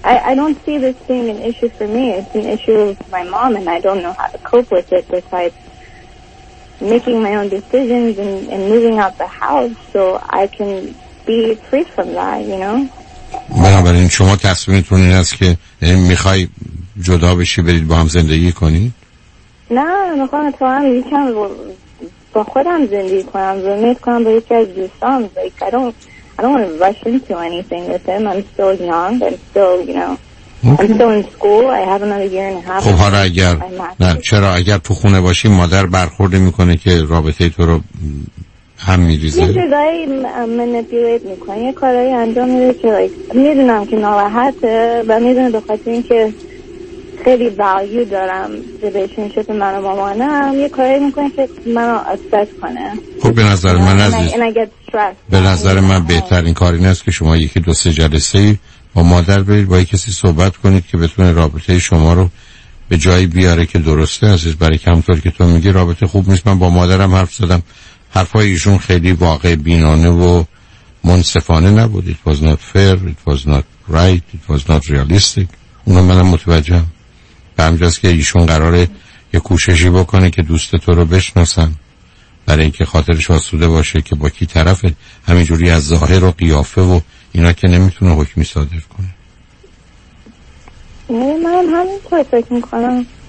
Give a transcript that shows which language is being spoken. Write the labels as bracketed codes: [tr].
[en] I don't see this being an issue for me. It's an issue of my mom and I don't know how to cope with it besides making my own decisions and moving out the house so I can be free from that, you know. [fa] بنابراین شما تصمیمتون این است که میخوای جدا بشی برید با هم زندگی کنی؟ نه میخوام تو هم یکم با خودم زندگی کنم، زندگی کنم با یکی از دوستان. [en] Like, I don't want to rush into anything with him. I'm still young. I'm still, you know, I'm still in school. I have another year and a half. [fa] خب حالا اگر نه چرا اگر تو خونه باشی مادر برخورد میکنه که رابطه تو رو هم میریزه؟ یه جدایی منپیویت میکنه، یه کارهایی انجام میده که like, میدونم که ناراحته و میدونم به خاطر این که خیلی value دارم relationship من و مامانم، یه کارهایی میکنه که من رو upset کنه. خب به نظر من عزیز به نظر من بهترین کار این است که شما یکی دو سه جلسه با مادر برید، با یک کسی صحبت کنید که بتونه رابطه شما رو به جایی بیاره که درسته. عزیز برای کمطور که تو میگی رابطه خوب نیست. من با مادرم حرف زدم، حرفای ایشون خیلی واقع بینانه و منصفانه نبود. [en] It was not fair, it was not right, it was not realistic. [fa] اونو منم متوجهم. به همجاست که ایشون قراره یه کوششی بکنه که دوست تو رو بشناسن، برای اینکه خاطرش آسوده باشه که با کی طرفه. همینجوری از ظاهر و قیافه و اینا که نمیتونه حکمی صادر کنه. من همینطور فکر میکنم.